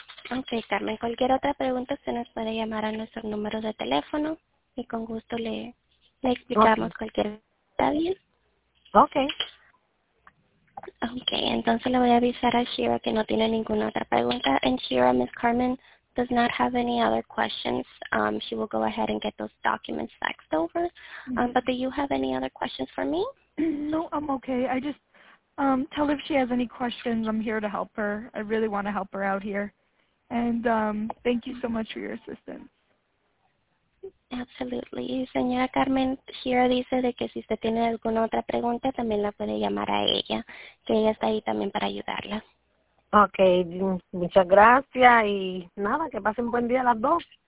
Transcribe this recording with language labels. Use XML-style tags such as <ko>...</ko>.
<es>Okay, Carmen, cualquier otra pregunta se nos puede llamar a nuestro número de teléfono y con gusto le explicamos cualquier. ¿Está bien?</es> <en>Okay.</en> <es>Okay, entonces le voy a avisar a Shira que no tiene ninguna otra pregunta.</es> <en>And Shira, Ms. Carmen does not have any other questions. She will go ahead and get those documents faxed over. But do you have any other questions for me? No, I'm okay. I just tell her if she has any questions, I'm here to help her. I really want to help her out here. And thank you so much for your assistance. Absolutely.</en> <es>Señora Carmen, Shira dice de que si usted tiene alguna otra pregunta, también la puede llamar a ella, que ella está ahí también para ayudarla. Okay, muchas gracias y nada, que pasen buen día las dos.</es>